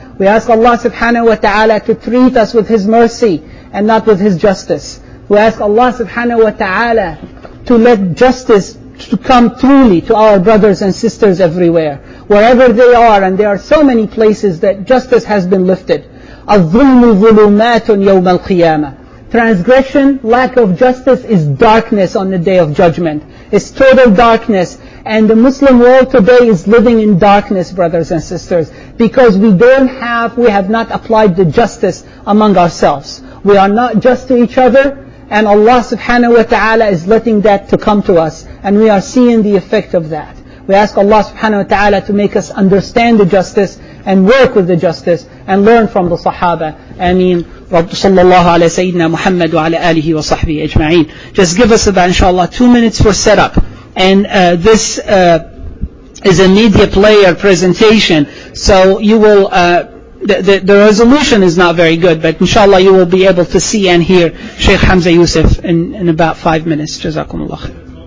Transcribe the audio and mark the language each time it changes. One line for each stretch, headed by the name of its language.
English: We ask Allah subhanahu wa ta'ala to treat us with His mercy and not with His justice. We ask Allah subhanahu wa ta'ala to let justice to come truly to our brothers and sisters everywhere, wherever they are. And there are so many places that justice has been lifted.
Arabic: الظلم ظلمات يوم القيامة.
English: Transgression, lack of justice, is darkness on the day of judgment. It's total darkness. And the Muslim world today is living in darkness, brothers and sisters, because we have not applied the justice among ourselves. We are not just to each other, and Allah subhanahu wa ta'ala is letting that to come to us, and we are seeing the effect of that. We ask Allah subhanahu wa ta'ala to make us understand the justice and work with the justice and learn from the Sahaba. Ameen.
Arabic: صلى الله على سيدنا محمد وعلى آله وصحبه أجمعين.
English: Just give us about, inshallah, 2 minutes for setup. And this is a media player presentation, so you will, the resolution is not very good, but inshallah you will be able to see and hear Sheikh Hamza Yusuf in about 5 minutes. Jazakumullah.